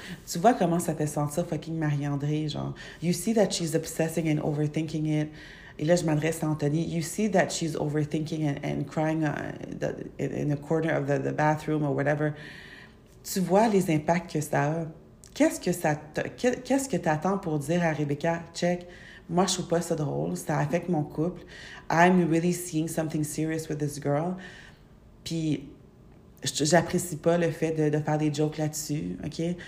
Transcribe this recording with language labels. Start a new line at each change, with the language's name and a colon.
French: tu vois comment ça fait sentir fucking Marie-André, genre.
English: You see that she's obsessing and overthinking it.
French: Et là, je m'adresse à Anthony.
English: You see that she's overthinking and crying in the corner of the bathroom or whatever.
French: Tu vois les impacts que ça a. Qu'est-ce que t'attends pour dire à Rebecca, check, moi, je trouve pas ça drôle. Ça affecte mon couple.
English: I'm really seeing something serious with this girl.
French: Puis, j'apprécie pas le fait de faire des jokes là-dessus, OK?